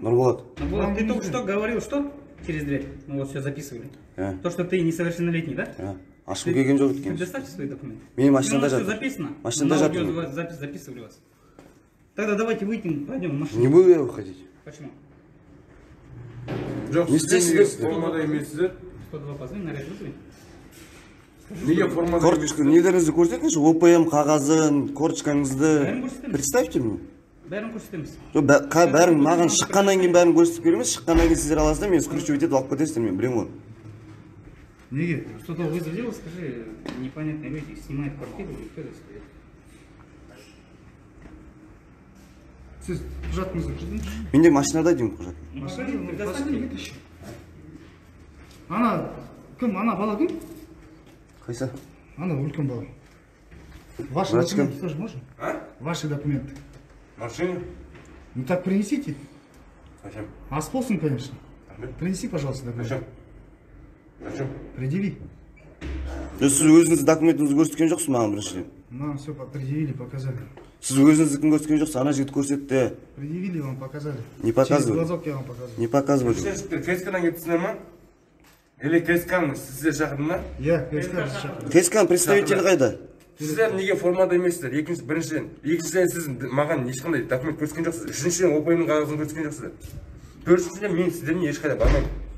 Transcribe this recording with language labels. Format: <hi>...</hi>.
<ru>Нурболат. Нурболат, ты только что говорил, что через дверь? Мы вот все записывали. То, что ты несовершеннолетний, да?</ru> <ky>Ашым келген жок экен.</ky> <ru>Предоставьте свои документы.</ru> <ky>Менин машинада жатат.</ky> <ru>Все записано.</ru> <ky>Машинада жатат.</ky> <ru>На аудио запись записывали вас. Тогда давайте выйдем, пойдем в машину. Не буду я выходить. Почему?</ru> <kk>Жоқ, сіздер формада емессіздер.</kk> <ru>102 позвони, наряд вызови.</ru> <kk>Неге формада емес? Корточка, нелеріңізді көрсетіңізші, ОПМ қағазын, корточкаңызды.</kk> <ru>Представьте мне.</ru> <kk>Бәрін көрсетеміз. Жоқ, бәрін маған шыққаннан кейін бәрін көрсетіп береміз, шыққаннан кейін сіздер аласыздар, мен скручивать етіп алып кетесіздер, мен білемін ғой. Неге?</kk> <ru>102 вызов делал, скажи, непонятные люди снимают квартиру, и кто здесь?</ru> <kk>Сіз құжатыңызды көрсетіңізші? Менде машинада деймін құжат. Ана, кім? Ана, бала кім? Қайса? Ана, үлкен бала.</kk> <ru>Ваши документы тоже можно? А? Ваши документы. Машина? Ну так принесите. Зачем? А с полсом, конечно. Принеси, пожалуйста, документы. Зачем? Зачем? Предъяви.</ru> <kk>Сіз өзіңіз документіңізді көрсеткен жоқсыз маған біріншіден?</kk> <ru>Нам все предъявили, показали.</ru> <kk>Сіз өзіңіз кім көрсеткен жоқсыз, ана жігіт көрсетті.</kk> <ru>Предъявили, вам показали. Не показывали. Через глазок я вам показывал. Не показывали.</ru> <kk>Сіздер шықты, КСК-дан кетесіңдер ма? Или КСК-ны сіздер шақырды ма? Иә, КСК-ны шақырды. КСК-ның представителі қайда? Сіздер неге формада емессіздер? Екіншісі, біріншіден. Екіншіден сіз маған ешқандай документ көрсеткен жоқсыз. Үшіншіден ОПМ-ның қағазын көрсеткен жоқсыздар. Төртіншіден мен сіздермен ешқайда бармаймын.</kk>